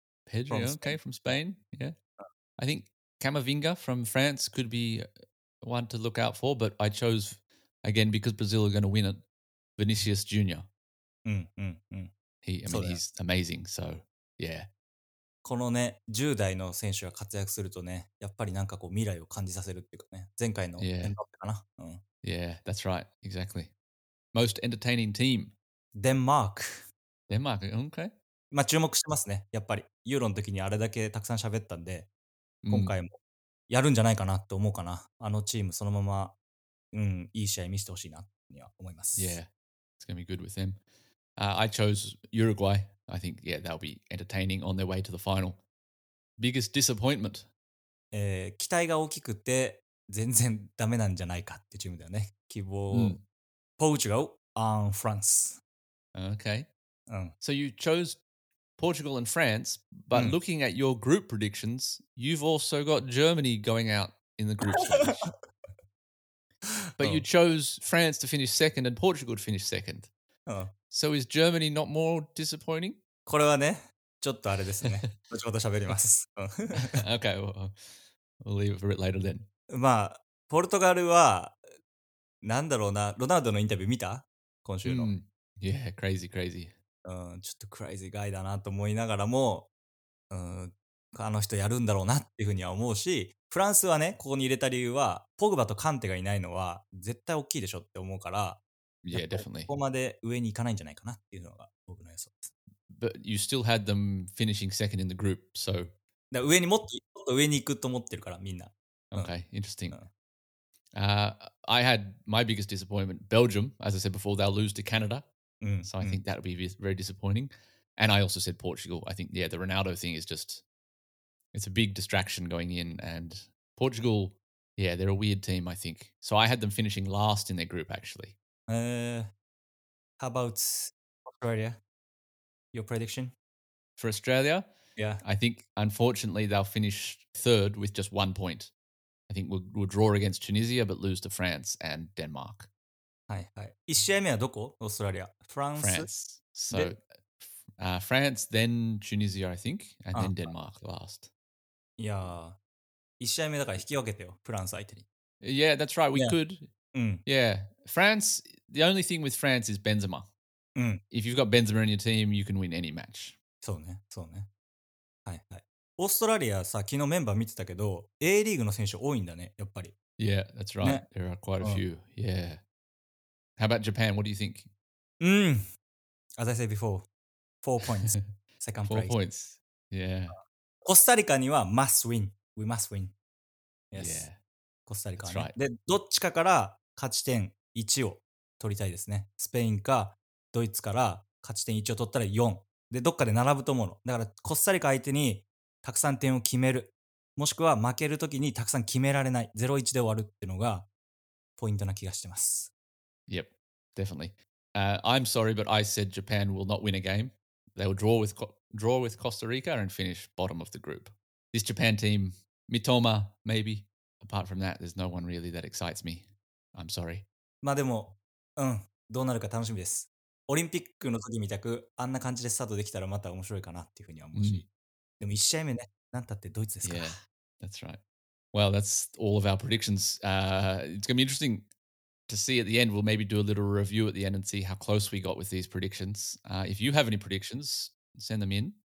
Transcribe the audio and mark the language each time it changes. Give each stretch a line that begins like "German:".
English: Pedri, okay, from Spain, yeah. I think Camavinga from France could be one to look out for, but I chose, again, because Brazil are going to win it, Vinicius Jr. He's amazing, so, yeah.
Japanese: このね、10代の選手が活躍するとね、やっぱりなんかこう未来を感じさせるっていうかね、前回のエンドアップかな。
English: Yeah, that's right, exactly. Most entertaining team? Denmark. Denmark, okay.
Japanese: まあ注目してますね。やっぱりユーロの時にあれだけたくさん喋ったんで、今回もやるんじゃないかなと思うかな。あのチームそのままいい試合見せてほしいなには思います。
English: Yeah, it's gonna be good with them.、I chose Uruguay. I think yeah, they'll be entertaining on their way to the final. Biggest disappointment.、
Japanese: 期待が大きくて全然ダメなんじゃないかってチームだよね。希望、ポルトガル
English: and France. Okay. So you chose Portugal and France, but looking at your group predictions, you've also got Germany going out in the group stage. But you chose France to finish second and Portugal to finish second. So is Germany not more disappointing?
Japanese: これはね、ちょっとあれですね。後ほど喋ります。
English: Okay, we'll leave it for it later then.
Japanese: まあ、ポルトガルは、なんだろうな、ロナウドのインタビュー見た? 今週の。
English: Yeah, crazy, crazy.
Japanese: ちょっとクライズガイだなと思いながらも、あの人やるんだろうなっていうふうには思うし、フランスはね、ここに入れた理由は、ポグバとカンテがいないのは絶対大きいでしょって思うから、
English: yeah, definitely.
Japanese: ここまで上に行かないんじゃないかなっていうのが僕の予想です。
English: But you still had them finishing second in the group, so...
Japanese: だ上にもっともっと上に行くと思ってるから、みんな。
English: Okay, interesting.、I had my biggest disappointment, Belgium. As I said before, they'll lose to Canada. So I think that would be very disappointing. And I also said Portugal. I think, yeah, the Ronaldo thing is just, it's a big distraction going in. And Portugal, yeah, they're a weird team, I think. So I had them finishing last in their group, actually. How about Australia? Your prediction? For Australia? Yeah. I think, unfortunately, they'll finish third with just 1 point. I think we'll draw against Tunisia, but lose to France and Denmark.
Japanese: はいはい。1試合目はどこ? オーストラリア。France.
English: So, France, then Tunisia, I think, and then Denmark last.
Japanese: いやー、1試合目だから引き分けてよ、フランス相手に。
English: Yeah, that's right. We could. Yeah. France, the only thing with France is Benzema. If you've got Benzema in your team, you can win any match.
Japanese: そうね、そうね。はいはい。オーストラリアさ、昨日メンバー見てたけど、A リーグの選手多いんだね、やっぱり。
English: Yeah, that's right.、ね、There are quite a few.、うん、yeah. How about Japan? What do you think? As I said before, 4 points. Second place. 4 points. Yeah.
Japanese: コスタリカには
English: must win. We must win. Yes. Yeah.
Japanese: コスタリカはね。 Right. で、どっちかから勝ち点1を取りたいですね。スペインかドイツから勝ち点1を取ったら4。で、どっかで並ぶと思うの。だから、コスタリカ相手にたくさん点を決める。もしくは負けるときにたくさん決められない。0-1 で終わるっていうのがポイントな気がしてます。
English: Yep, definitely. I'm sorry, but I said Japan will not win a game. They will draw with Costa Rica and finish bottom of the group. This Japan team, Mitoma, maybe. Apart from that, there's no one really that excites me. I'm sorry.
Japanese: まあでも、うん、どうなるか楽しみです。オリンピックの時みたくあんな感じでスタートできたらまた面白いかなっていうふうには思うし、でも1試合目ね、なんたってドイツですから。
English: Yeah, that's right. Well, that's all of our predictions. It's going to be interesting to see at the end. We'll maybe do a little review at the end and see how close we got with these predictions. If you have any predictions, send them in.